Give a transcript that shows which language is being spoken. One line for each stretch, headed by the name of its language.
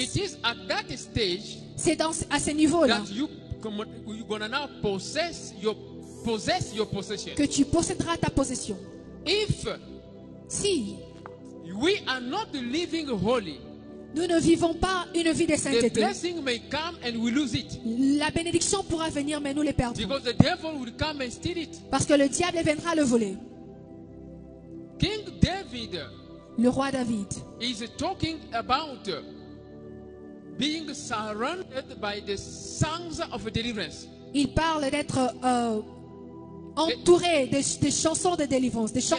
English: It is at that stage,
French: c'est dans, à ce niveau-là
English: that you're gonna now possess your possession.
French: Que tu posséderas ta possession.
English: If
French: si
English: we are not living holy,
French: nous ne vivons pas une vie de sainteté.
English: The blessing may come and we lose it.
French: La bénédiction pourra venir, mais nous les perdons.
English: Because the devil will come and steal it.
French: Parce que le diable viendra le voler.
English: King David,
French: le roi David,
English: is talking about being surrounded by the songs of deliverance.
French: Il parle d'être entouré des chansons de délivrance, des chants